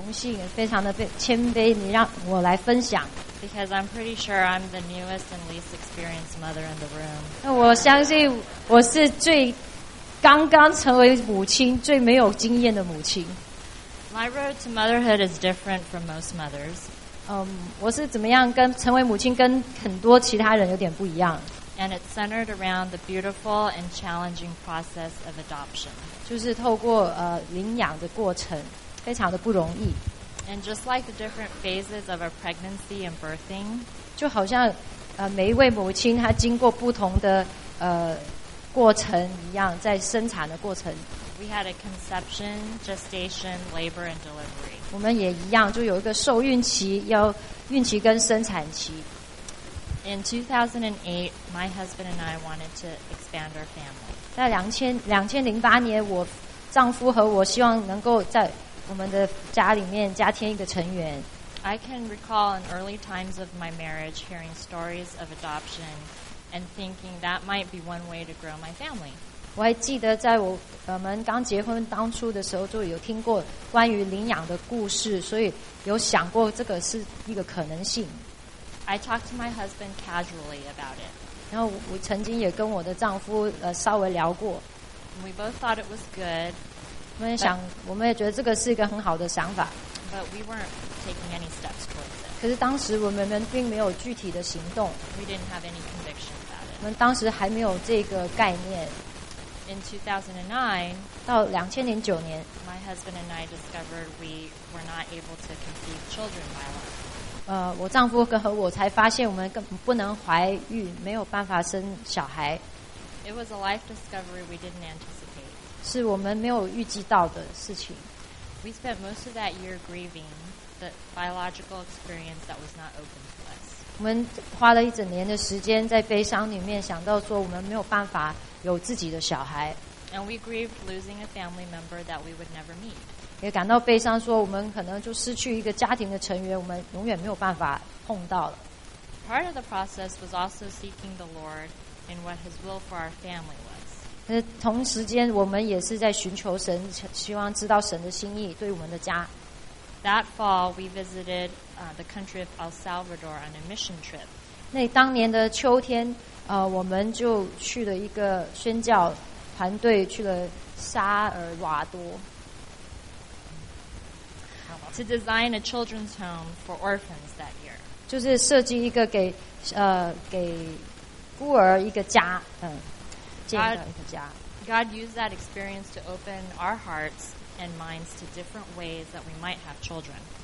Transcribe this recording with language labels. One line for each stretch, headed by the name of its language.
Chinese: 荣幸，非常的谦卑，你让我来分享。
English: Because I'm pretty sure I'm the newest and least experienced mother in the room.
Chinese: 我相信我是最刚刚成为母亲，最没有经验的母亲。
English: My road to motherhood is different from most mothers.
Chinese: 我是怎么样跟成为母亲跟很多其他人有点不一样。
English: And it's centered around the beautiful and challenging process of adoption.
Chinese: 就是透过领养的过程，非常的不容易。
English: And just like the different phases of a pregnancy and birthing,
Chinese: 就好像每一位母亲她经过不同的过程一样，在生产的过程。
English: We had a conception, gestation, labor, and delivery.
Chinese: 我们也一样，就有一个受孕期，要孕期跟生产期。
English: In 2008, my husband and I wanted to expand our family.
Chinese: 在2008年，我丈夫和我希望能够在我们的家里面加添一个成员。
English: I can recall in early times of my marriage hearing stories of adoption and thinking that might be one way to grow my family.
Chinese: 我还记得在我们刚结婚当初的时候就有听过关于领养的故事，所以有想过这个是一个可能性。
English: I talked to my husband casually about it.
Chinese: 然后我曾经也跟我的丈夫稍微聊过。
English: We both thought it was good.
Chinese: 我们也觉得这个是一个很好的想法。
English: But we weren't taking any steps towards it.
Chinese: 可是当时我们并没有具体的行动。
English: We didn't have any conviction about it.
Chinese: 我们当时还没有这个概念。
English: In 2009,
Chinese: 到2009年
English: my husband and I discovered we were not able to conceive children by law.
Chinese: 我丈夫和我才发现我们不能怀孕，没有办法生小孩。
English: It was a life discovery we didn't anticipate.
Chinese: 是我们没有预计到的事情。
English: We spent most of that year grieving the biological experience that was not open to us.
Chinese: 我们花了一整年的时间在悲伤里面，想到说我们没有办法有自己的小孩。
English: And we grieved losing a family member that we would never meet.
Chinese: 也感到悲伤，说我们可能就失去一个家庭的成员，我们永远没有办法碰到了。
English: Part of the process was also seeking the Lord in what His will for our family was.
Chinese: 同时间，我们也是在寻求神，希望知道神的心意对我们的家。
English: That fall, we visited the country of El Salvador on a mission trip.
Chinese: 那当年的秋天，我们就去了一个宣教团队，去了萨尔瓦多。
English: To design a children's home for orphans that year.
Chinese: 就是设计一个给给孤儿一个家，建一个家。
English: God used that experience to open our hearts and minds to different ways that we might have children.